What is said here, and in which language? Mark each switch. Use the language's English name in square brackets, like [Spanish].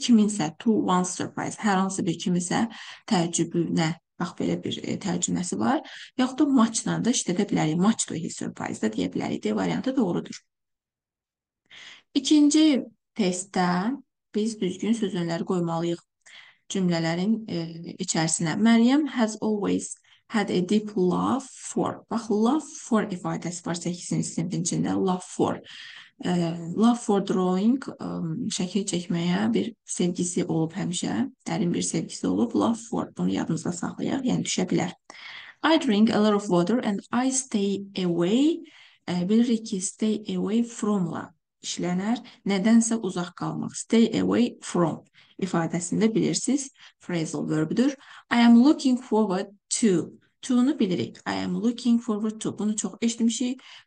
[Azerbaijani] Kiminsə, to one's surprise, hər hansı bir kiminsə təəccübünə, bax, belə bir təəccübləsi var. Yaxud da maçla da işlədə bilərik. Maç to his surprise də deyə bilərik, deyə variantı doğrudur. İkinci testdə biz düzgün söz önləri qoymalıyıq cümlələrin içərisinə. [English] Məryəm has always had a deep love for. [Azerbaijani] Bax, love for ifadəsi var 8-ci sinifin içində. Love for drawing, şəkil çəkməyə bir sevgisi olub həmişə. Dərin bir sevgisi olub. Love for. Bunu yadımızda saxlayaq. Yəni, düşə bilər. [English] I drink a lot of water and I stay away. [Azerbaijani] Bilirik ki, stay away from-la işlənər. Nədənsə uzaq qalmaq. Stay away from ifadəsində bilirsiniz. [English] Phrasal verb-dür. I am looking forward to. [Azerbaijani] To-nu bilirik. [English] I am looking forward to. [Azerbaijani] Bunu çox eşitmişik.